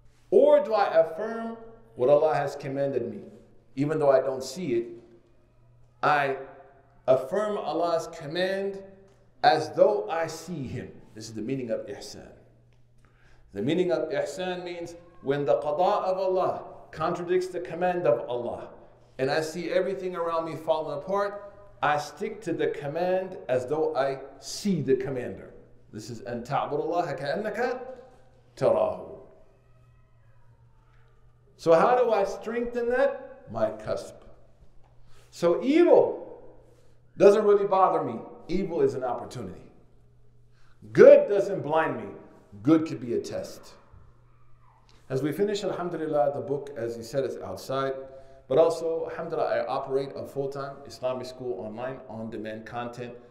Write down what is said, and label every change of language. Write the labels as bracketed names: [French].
[English] Or do I affirm what Allah has commanded me? Even though I don't see it, I affirm Allah's command as though I see Him. This is the meaning of Ihsan. The meaning of Ihsan means when the qada of Allah contradicts the command of Allah and I see everything around me falling apart, I stick to the command as though I see the commander. This is [Arabic] أن تعبد الله كأنك تراه. [English] So how do I strengthen that? My cusp. So evil doesn't really bother me. Evil is an opportunity. Good doesn't blind me. Good could be a test. As we finish, alhamdulillah, the book, as you said, is outside. But also, alhamdulillah, I operate a full-time Islamic school online, on-demand content.